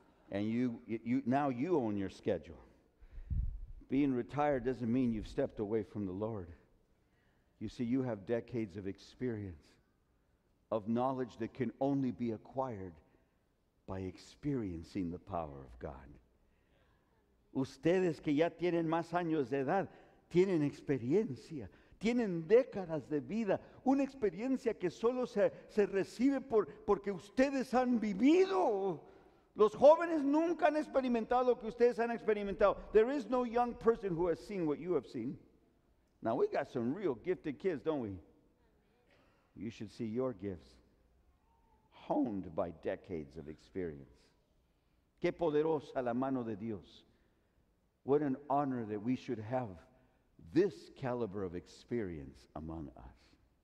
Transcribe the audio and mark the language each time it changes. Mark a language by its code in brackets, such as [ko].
[en] And now you own your schedule. Being retired doesn't mean you've stepped away from the Lord. You see, you have decades of experience, of knowledge that can only be acquired by experiencing the power of God. [es] Ustedes que ya tienen más años de edad, tienen experiencia. Tienen décadas de vida, una experiencia que solo se recibe porque ustedes han vivido. Los jóvenes nunca han experimentado lo que ustedes han experimentado. [en] There is no young person who has seen what you have seen. Now we got some real gifted kids, don't we? You should see your gifts honed by decades of experience. [es] Qué poderosa la mano de Dios. [en] What an honor that we should have this caliber of experience among us.